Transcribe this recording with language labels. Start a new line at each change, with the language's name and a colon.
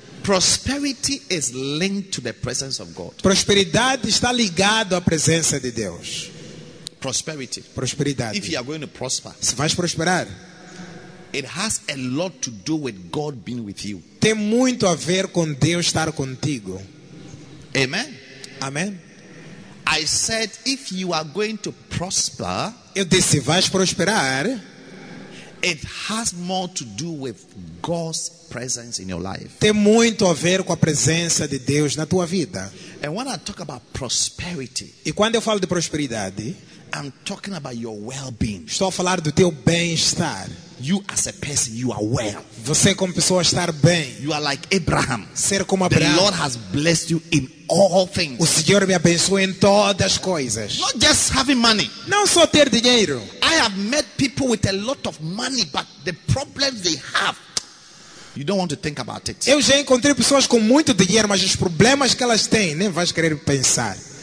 English: Prosperity is linked to the presence of God.
Portuguese: Prosperidade está ligado à presença de Deus.
English: Prosperity.
Portuguese: Prosperidade.
English: If you are going to prosper.
Portuguese: Se vais prosperar.
English: It has a lot to do with God being with you.
Portuguese: Tem muito a ver com Deus estar contigo. Amen. Amen.
English: I said if you are going to prosper,
Portuguese: eu disse, se vais prosperar,
English: it has more to do with God's presence in your life.
Portuguese: Tem muito a ver com a presença de Deus na tua vida.
English: And when I talk about prosperity,
Portuguese: e quando eu falo de prosperidade,
English: I'm talking about your well-being.
Portuguese: Estou a falar do teu bem-estar.
English: You as a person, you are well.
Portuguese: Você como pessoa está bem.
English: You are like Abraham.
Portuguese: Ser como Abraão.
English: The Lord has blessed you in all things.
Portuguese: O Senhor me abençoou em todas as coisas.
English: Not just having money.
Portuguese: Não só ter dinheiro.
English: I have met people with a lot of money, but the problems they have, you don't want to think about it.
Portuguese: Eu já encontrei pessoas com muito dinheiro, mas os problemas que elas têm, nem vais querer pensar.